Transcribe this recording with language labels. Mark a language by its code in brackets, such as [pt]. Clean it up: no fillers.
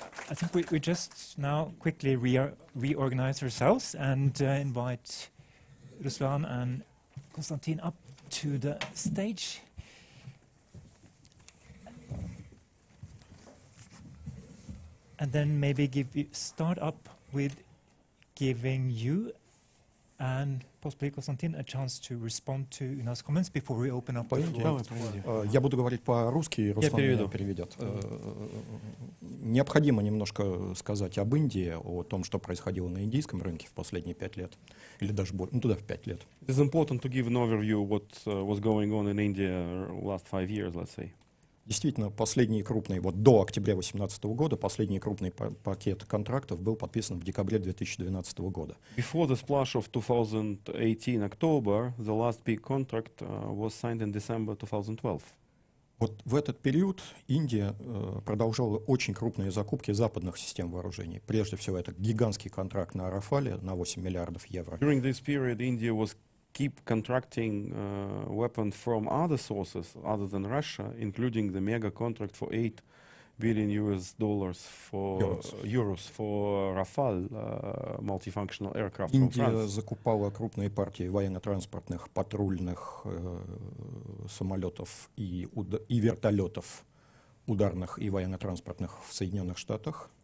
[en] I think we just now quickly reorganize ourselves and invite Ruslan and Konstantin up to the stage. And then maybe start up with giving you and possibly Konstantin a chance to respond to Una's comments before we open up. [ru] Я буду говорить по-русски, Руслан меня переведет. Необходимо немножко сказать об Индии, о том, что происходило на индийском рынке в последние 5 лет, или даже больше, туда в 5 лет. [en] It's important to give an overview what was going on in India last 5 years, let's say. [ru] Действительно, последний крупный, вот до октября 2018 года, последний крупный пакет контрактов был подписан в декабре 2012 года. [en] Before the splash of 2018 October, the last big contract was signed in December 2012. [ru] Вот в этот период Индия продолжала очень крупные закупки западных систем вооружений. Прежде всего, это гигантский контракт на Рафале на 8 миллиардов евро. [en] During this period, India was keep contracting weapons from other sources other than Russia, including the mega contract for $8 billion for euros for Rafale multifunctional aircraft. [ru] Индия закупала крупные партии военно-транспортных патрульных самолетов и вертолетов ударных и военно-транспортных в Соединенных Штатах.